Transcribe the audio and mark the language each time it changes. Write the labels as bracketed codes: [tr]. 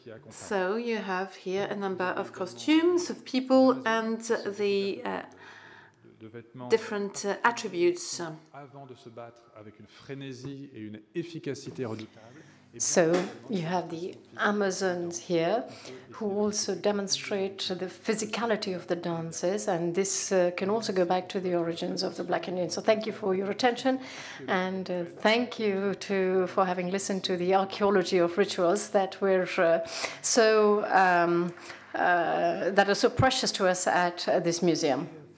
[en] So you have here a number of costumes of people and the different attributes. [fr] Avant de se battre avec une frénésie et une efficacité redoutable. [en] So you have the Amazons here, who also demonstrate the physicality of the dances, and this can also go back to the origins of the Black Indian. So thank you for your attention, and thank you for having listened to the archaeology of rituals that were that are so precious to us at this museum.